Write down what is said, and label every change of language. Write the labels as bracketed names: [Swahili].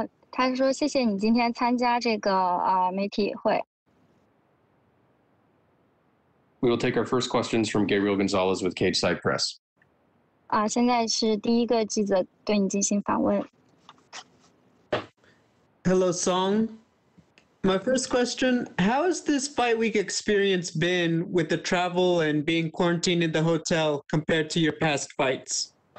[Chinese] 他说谢谢你今天参加这个媒体会。 [English] We will take our first questions from Gabriel Gonzalez with Cage Side Press. [Chinese] 现在是第一个记者对你进行访问。 [English] Hello, Song. My first question, how has this fight week experience been with the travel and being quarantined in the hotel compared to your past fights?